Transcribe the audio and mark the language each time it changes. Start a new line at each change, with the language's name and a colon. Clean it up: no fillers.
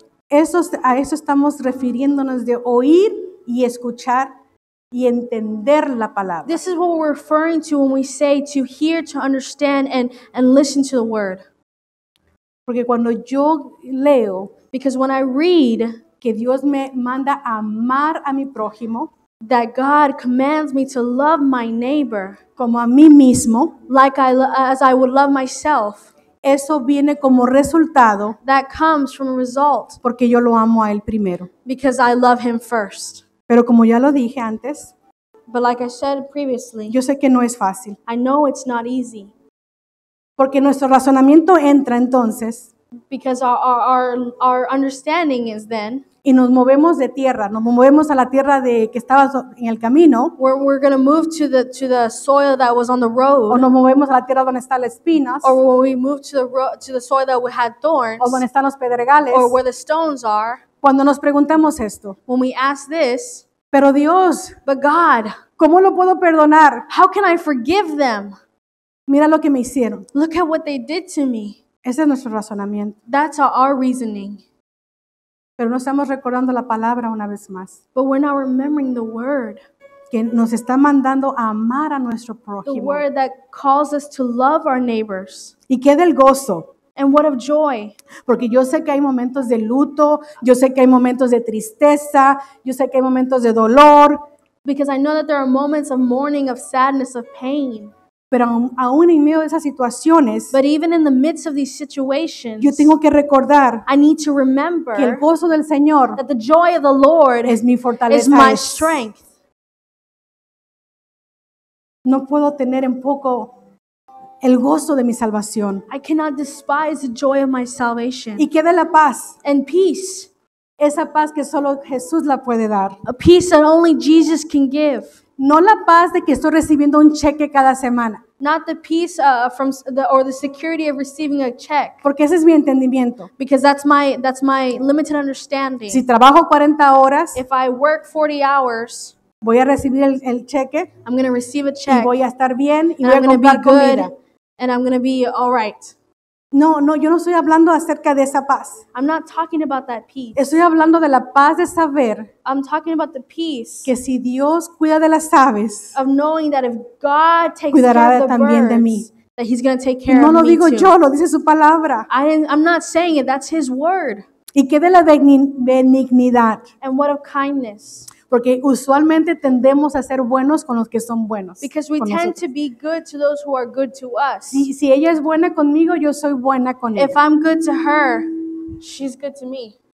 Spanish: A eso estamos refiriéndonos de oír y escuchar. Y entender la palabra.
English: This is what we're referring to when we say to hear, to understand, and listen to the word.
Spanish: Porque cuando yo leo,
English: because when I read
Spanish: que Dios me manda a amar a mi prójimo,
English: that God commands me to love my neighbor
Spanish: como a mí mismo,
English: like as I would love myself,
Spanish: eso viene como resultado,
English: that comes from a result,
Spanish: porque yo lo amo a él primero,
English: because I love him first.
Spanish: Pero como ya lo dije antes,
English: but like I said previously,
Spanish: yo sé que no es fácil.
English: I know it's not easy.
Spanish: Porque nuestro razonamiento entra entonces.
English: Because our understanding is then.
Spanish: Y nos movemos de tierra, nos movemos a la tierra de que estaba en el camino.
English: We're going to move to the soil that was on the road.
Spanish: O nos movemos a la tierra donde están las espinas.
English: Or we move to the soil that we had thorns.
Spanish: O donde están los pedregales.
English: Or where the stones are.
Spanish: Cuando nos preguntamos esto,
English: when we ask this,
Spanish: pero Dios,
English: but God,
Spanish: ¿cómo lo puedo perdonar?
English: How can I forgive them?
Spanish: Mira lo que me hicieron.
English: Look at what they did to me.
Spanish: Ese es nuestro razonamiento.
English: That's our reasoning.
Spanish: Pero no estamos recordando la palabra una vez más.
English: But we're not remembering the word.
Spanish: Que nos está mandando a amar a nuestro prójimo.
English: The word that calls us to love our neighbors.
Spanish: Y qué del gozo.
English: And what of joy?
Spanish: Porque yo sé que hay momentos de luto, yo sé que hay momentos de tristeza, yo sé que hay momentos de dolor.
English: Because I know that there are moments of mourning, of sadness, of pain.
Spanish: Pero aún en medio de esas situaciones,
English: but even in the midst of these situations,
Spanish: yo tengo que recordar,
English: I need to remember,
Spanish: que el gozo del Señor,
English: that the joy of the Lord,
Spanish: es mi fortaleza,
English: is my strength.
Spanish: No puedo tener en poco el gozo de mi salvación.
English: I cannot despise the joy of my salvation.
Spanish: Y queda la paz.
English: And peace.
Spanish: Esa paz que solo Jesús la puede dar.
English: A peace that only Jesus can give.
Spanish: No la paz de que estoy recibiendo un cheque cada semana.
English: Not the peace from the or the security of receiving a check.
Spanish: Porque ese es mi entendimiento.
English: Because that's my limited understanding.
Spanish: Si trabajo 40 horas,
English: if I work 40 hours,
Spanish: voy a recibir el cheque.
English: I'm going to receive a check.
Spanish: Y voy a estar bien y voy a comprar comida.
English: And I'm going to be all right.
Spanish: No, yo no estoy hablando acerca de esa paz.
English: I'm not talking about that peace.
Spanish: Estoy hablando de la paz de saber.
English: I'm talking about the peace.
Spanish: Que si Dios cuida de las aves,
English: of knowing that if God takes
Spanish: cuidará
English: care of the
Spanish: también de mí.
English: That he's going to take care
Spanish: no
English: of me
Spanish: No lo digo
English: too.
Spanish: Yo, lo dice su palabra.
English: I'm not saying it, that's his word.
Spanish: Y que de la benignidad.
English: And what of kindness.
Spanish: Porque usualmente tendemos a ser buenos con los que son buenos.
English: Because we tend to be good to those who are good to us.
Spanish: Si ella es buena conmigo, yo soy buena con ella.
English: If I'm good to her, she's good to me.